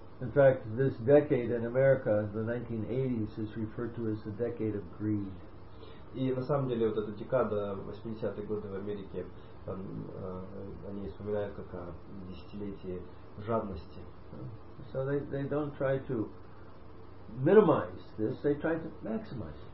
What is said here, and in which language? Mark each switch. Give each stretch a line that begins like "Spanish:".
English: In fact, this decade in America, the 1980s, is referred to as the decade of greed.
Russian: И на самом деле вот эта декада 80-х годов в Америке, они вспоминают как о десятилетии жадности.
English: So they don't try to minimize this, they try to maximize.